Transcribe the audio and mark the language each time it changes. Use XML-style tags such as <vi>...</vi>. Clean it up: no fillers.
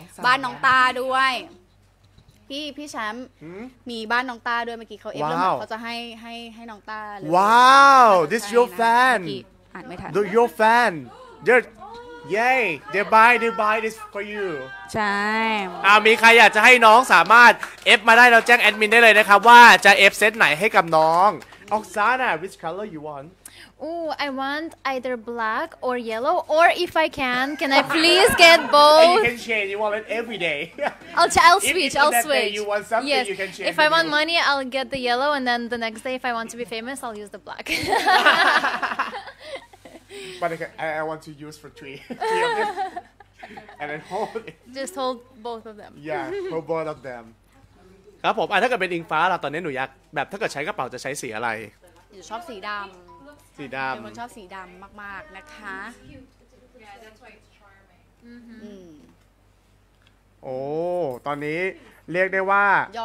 <th>บ้านน้องตาด้วยพี่แชมป์มีบ้านน้องตาด้วยเมื่อกี้เขาเอฟแล้วเขาจะให้น้องตาเลย</th> <en>ว้าว this your fan</en> <th>อ่านไม่ทัน</th> <en>do your fan they yay they buy this for you</en> <th>ใช่ มีใครอยากจะให้น้องสามารถเอฟมาได้เราแจ้งแอดมินได้เลยนะครับว่าจะเอฟเซตไหนให้กับน้อง</th> <en>Oksana, which color you want? Ooh, I want either black or yellow, or if I can I please get both? And you can change, you want it every day. I'll switch. If you want something, yes. You can change. If I want money, I'll get the yellow, and then the next day, if I want to be famous, I'll use the black. But I want to use for three of them. And then hold it. Just hold both of them. Yeah, hold both of them.</en> <th>ครับผมถ้าเกิดเป็นอิงฟ้าล่ะตอนนี้หนูอยากแบบถ้าเกิดใช้กระเป๋าจะใช้สีอะไร หนูชอบสีดำ สีดำ เป็นคนชอบสีดำมากๆนะคะ โอ้ตอนนี้เรียกได้ว่าย</th>